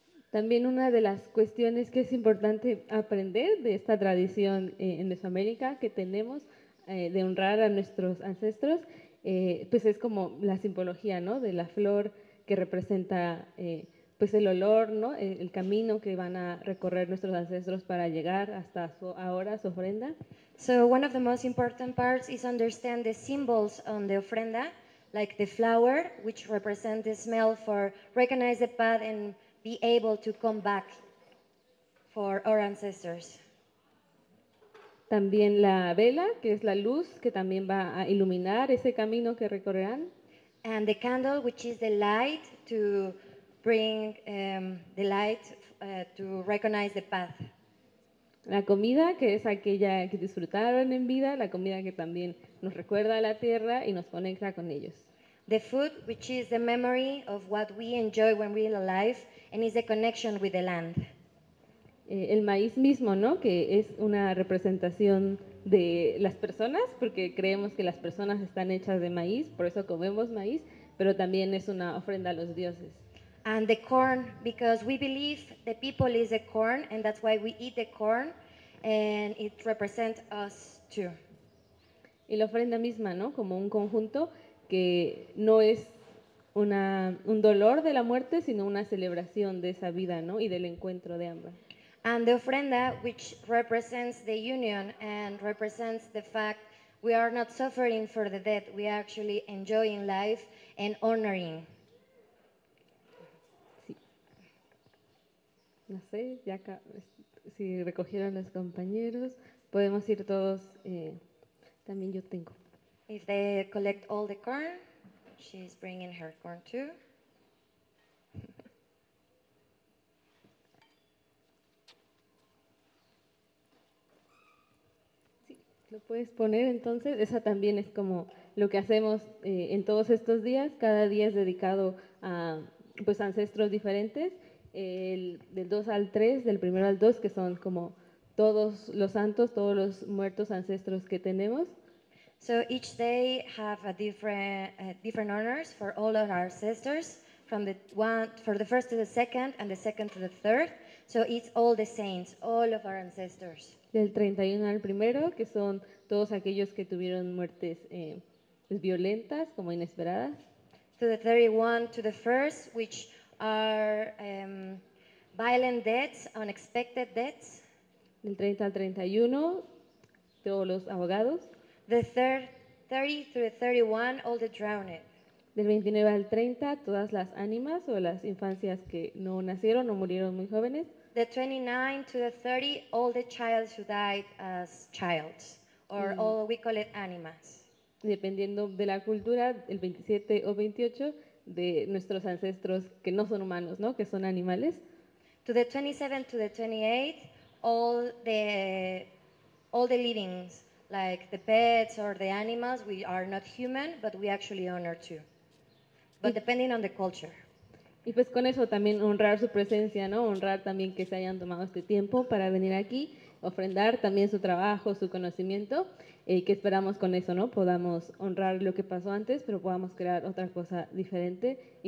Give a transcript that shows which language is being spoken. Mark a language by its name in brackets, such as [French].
[Spanish] También una de las cuestiones que es importante aprender de esta tradición en Mesoamérica que tenemos de honrar a nuestros ancestros, pues es como la simbología, ¿no? De la flor que representa pues el olor, ¿no? El camino que van a recorrer nuestros ancestros para llegar hasta ahora su ofrenda. [English] So one of the most important parts is understand the symbols on the ofrenda, like the flower, which represents the smell for recognize the path and be able to come back for our ancestors. [Spanish] También la vela, que es la luz, que también va a iluminar ese camino que recorrerán. [English] And the candle, which is the light, to bring the light to recognize the path. [Spanish] La comida, que es aquella que disfrutaron en vida, la comida que también nos recuerda a la tierra y nos conecta con ellos. [English] The food, which is the memory of what we enjoy when we're alive, and is a connection with the land. [Spanish] El maíz mismo, ¿no? Que es una representación de las personas, porque creemos que las personas están hechas de maíz, por eso comemos maíz, pero también es una ofrenda a los dioses. [English] And the corn, because we believe the people is the corn, and that's why we eat the corn, and it represents us too. [Spanish] Y la ofrenda misma, ¿no? Como un conjunto que no es un dolor de la muerte, sino una celebración de esa vida, ¿no? Y del encuentro de ambas. [English] And the ofrenda, which represents the union and represents the fact we are not suffering for the death, we are actually enjoying life and honoring. [Spanish] Sí. No sé, ya acá, si recogieron los compañeros, podemos ir todos, también yo tengo. [English] If they collect all the corn, she's bringing her corn too. [Spanish] Sí, lo puedes poner entonces. Esa también es como lo que hacemos en todos estos días. Cada día es dedicado a pues ancestros diferentes. Del 2 al 3, del 1 al 2, que son como todos los santos, todos los muertos ancestros que tenemos. [English] So each day have a different honors for all of our ancestors, from the one for the first to the second and the second to the third. So it's all the saints, all of our ancestors. [Spanish] Del 31 al primero, que son todos aquellos que tuvieron muertes violentas, como inesperadas. [English] To the 31 to the first, which are violent deaths, unexpected deaths. [Spanish] Del 30 al 31, todos los ahogados. [English] The 30 through the 31, all the drowned. [Spanish] Del 29 al 30, todas las ánimas o las infancias que no nacieron o murieron muy jóvenes. [English] The 29 to the 30, all the childs who died as childs, or all we call it animas. [Spanish] Dependiendo de la cultura, el 27 o 28 de nuestros ancestros que no son humanos, ¿no? Que son animales. [English] To the 27 to the 28, all the livings. Like the pets or the animals, we are not human, but we actually honor too. But depending on the culture. [Spanish] Y pues con eso también honrar su presencia, ¿no? Honrar también que se hayan tomado este tiempo para venir aquí, ofrendar también su trabajo, su conocimiento, que esperamos con eso, ¿no? Podamos honrar lo que pasó antes, pero podamos crear otra cosa diferente. Y